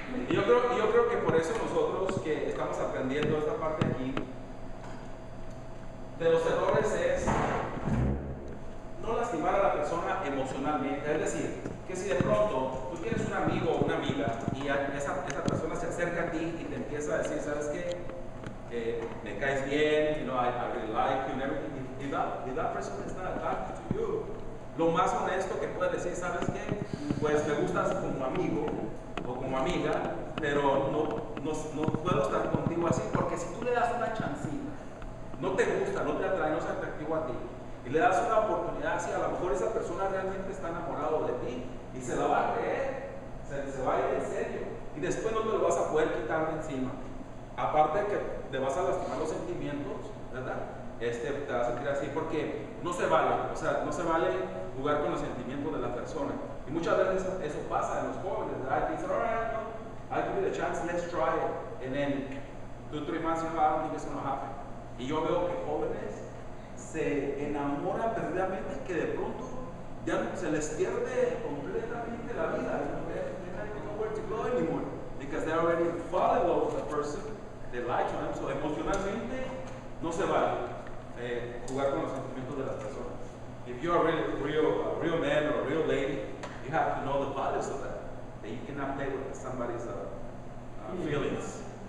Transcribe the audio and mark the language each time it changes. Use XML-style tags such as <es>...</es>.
<es>Yo creo que por eso nosotros que estamos aprendiendo esta parte aquí, de los errores es no lastimar a la persona emocionalmente. Es decir, que si de pronto tú tienes un amigo o una amiga y esa persona se acerca a ti y te empieza a decir, ¿sabes qué? Me caes bien,</es> <en>you know, I really like you and everything. If that person is not attracted to you,</en> <es>lo más honesto que puede decir, ¿sabes qué? Pues me gustas como amigo o como amiga, pero no puedo estar contigo así, porque si tú le das una chancita, no te gusta, no te atrae, no es atractivo a ti, y le das una oportunidad así, a lo mejor esa persona realmente está enamorado de ti y se la va a creer, se va a ir en serio, y después no te lo vas a poder quitar de encima. Aparte de que te vas a lastimar los sentimientos, ¿verdad? Te vas a sentir así porque no se vale, o sea, no se vale jugar con los sentimientos de la persona. Y muchas veces eso pasa en los jóvenes, ¿verdad? Y dicen,</es> <en>all right, no, I'll give you the chance, let's try it. And then, 2-3 months, you know, I don't think it's going to happen.</en> <es>Y yo veo que jóvenes se enamoran perdidamente que de pronto ya se les pierde completamente la vida.</es> <en>They don't even know where to go anymore. Because they already fall in love with the person. They like them, so</en> <es>emocionalmente no se vale jugar con los sentimientos de las personas.</es> <en>If you are a real man or a real lady, you have to know the values of that you cannot play with somebody's feelings.</en>